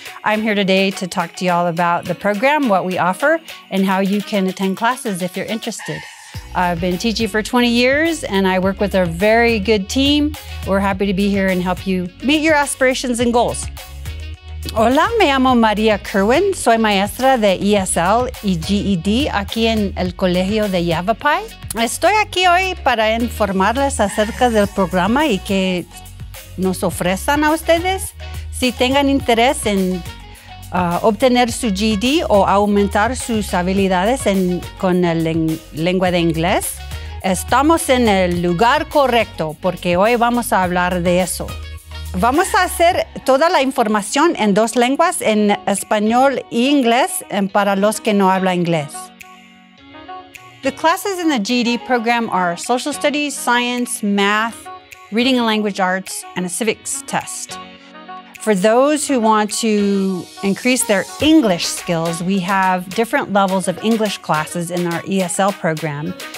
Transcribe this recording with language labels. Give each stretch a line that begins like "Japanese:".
English: I'm here today to talk to you all about the program, what we offer, and how you can attend classes if you're interested. I've been teaching for 20 years, and I work with a very good team. We're happy to be here and help you meet your aspirations and goals.
Spanish: Hola, me llamo María Kirwin. Soy maestra de ESL y GED aquí en el Colegio de Yavapai. Estoy aquí hoy para informarles acerca del programa y que nos ofrezcan a ustedes. Si tengan interés en obtener su GED o aumentar sus habilidades con la lengua de inglés, estamos en el lugar correcto porque hoy vamos a hablar de eso. Vamos a hacer toda la información en dos lenguas, en español e inglés, para los que no hablan inglés.
English: The classes in the GED program are social studies, science, math, reading and language arts, and a civics test. For those who want to increase their English skills, we have different levels of English classes in our ESL program.